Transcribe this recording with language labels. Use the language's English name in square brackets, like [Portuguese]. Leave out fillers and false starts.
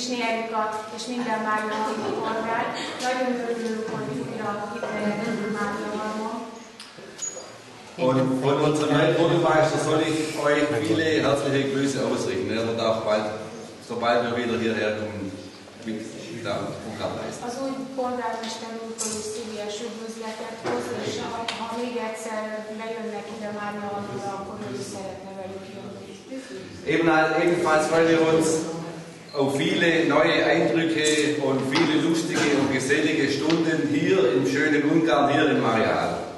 [Hungarian] Erika és minden Mária polgár. Nagyon örülök, hogy újra Mária halmon. [German] Und von unserem Weltbürgermeister soll ich euch viele herzliche Grüße ausrichten. Er wird auch bald, sobald wir wieder hierher kommen, mit wieder am Programm leisten. [Hungarian] Az új polgármester úrtól is szíves üdvözletet hoz, és ha még egyszer lejönnek ide Mária-Halomra, akkor ő is szeretne velük jönni. [German] Ebenfalls freuen wir uns auf viele neue Eindrücke und viele lustige und gesellige Stunden hier im schönen Ungarn, hier in Mariahall.